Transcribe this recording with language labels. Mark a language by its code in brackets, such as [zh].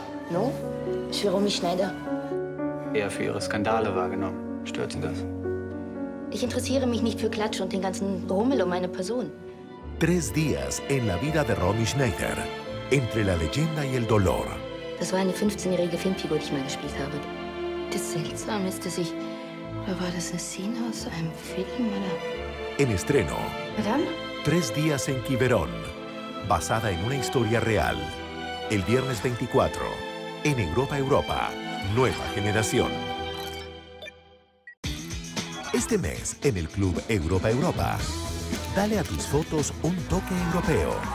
[fr] Non, je suis Romy Schneider. [de] Eher für ihre Skandale wahrgenommen. Stört Sie das? Ich interessiere mich nicht für Klatsch und den ganzen Rummel um meine Person. [es] Tres días en la vida de Romy Schneider. Entre la leyenda y el dolor. [de] Das war eine 15-jährige Filmfigur, die ich mal gespielt habe. Das seltsam ist, dass ich... Oder war das eine Szene aus einem Film, oder? [es] En estreno. [fr] Madame? [es] Tres días en Quiberón. Basada en una historia real. El viernes 24. En Europa Europa. Nueva generación. Este mes, en el Club Europa Europa, dale a tus fotos un toque europeo.